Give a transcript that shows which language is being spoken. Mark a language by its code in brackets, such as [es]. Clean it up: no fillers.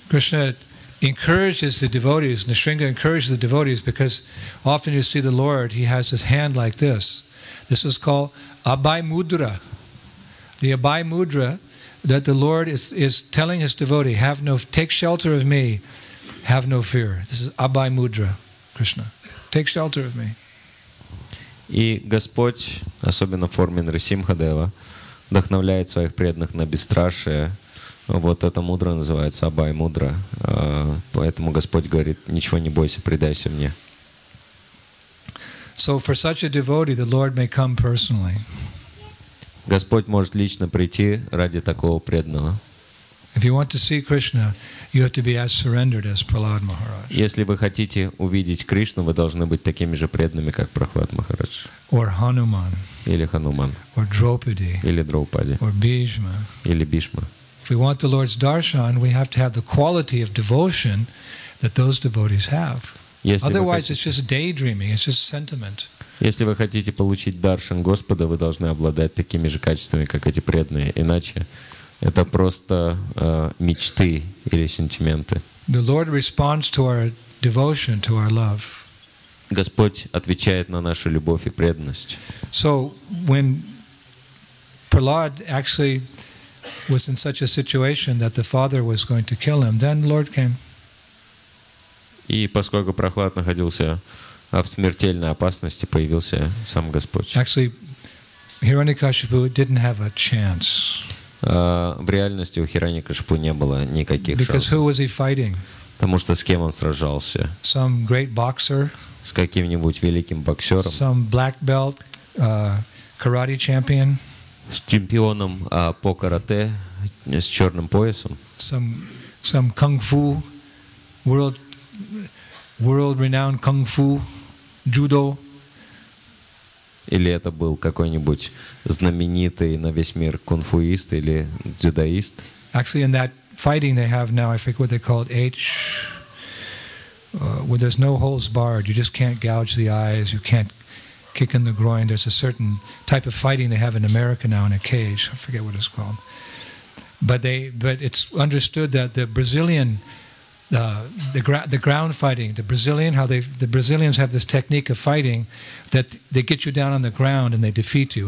[en] Krishna encourages the devotees, Nrisimha encourages the devotees, because often you see the Lord, he has his hand like this. This is called Abhay Mudra. The Abhay Mudra that the Lord is telling his devotee, take shelter of me. Have no fear. This is Abhay Mudra, Krishna. Take shelter of me. [ru] И Господь, особенно в форме Нрисимхадева, вдохновляет своих преданных на бесстрашие. Вот эта мудра называется Абай-мудра. Поэтому Господь говорит: ничего не бойся, предайся мне. [en] So for such a devotee, the Lord may come personally. [ru] Господь может лично прийти ради такого преданного. [en] If you want to see Krishna, you have to be as surrendered as Prahlad Maharaj. [ru] Если вы хотите увидеть Кришну, вы должны быть такими же преданными, как Прахлад Махарадж. [en] Or Hanuman. [ru] Или Хануман. [en] Or Draupadi. [ru] Или Драупади. [en] Or Bhishma. [ru] Или Бишма. [en] If we want the Lord's darshan, we have to have the quality of devotion that those devotees have. Otherwise, it's just daydreaming. It's just sentiment. [ru] Если вы хотите получить даршан Господа, вы должны обладать такими же качествами, как эти преданные. Иначе это просто мечты или сентименты. [en] The Lord responds to our devotion, to our love. [ru] Господь отвечает на нашу любовь и преданность. [en] So when Prahlad actually was in such a situation that the father was going to kill him, then the Lord came. [ru] И поскольку Прохлад находился в смертельной опасности, появился сам Господь. [en] Actually, Hiranyakashipu didn't have a chance. [ru] В реальности у Хираньякашипу не было никаких шансов. [en] Because who was he fighting? [ru] Потому что с кем он сражался? [en] Some great boxer. [ru] С каким-нибудь великим боксером? [en] Some black belt karate champion. [ru] С чемпионом по карате, с черным поясом? [en] Some kung-fu world-renowned kung-fu, judo. [ru] Или это был какой-нибудь знаменитый на весь мир кунг-фуист или дзюдоист? [en] Actually, in that fighting they have now, I forget what they call it, where there's no holes barred, you just can't gouge the eyes, you can't kick in the groin. There's a certain type of fighting they have in America now in a cage. I forget what it's called. But it's understood that the Brazilian the ground fighting, the Brazilians have this technique of fighting that they get you down on the ground and they defeat you.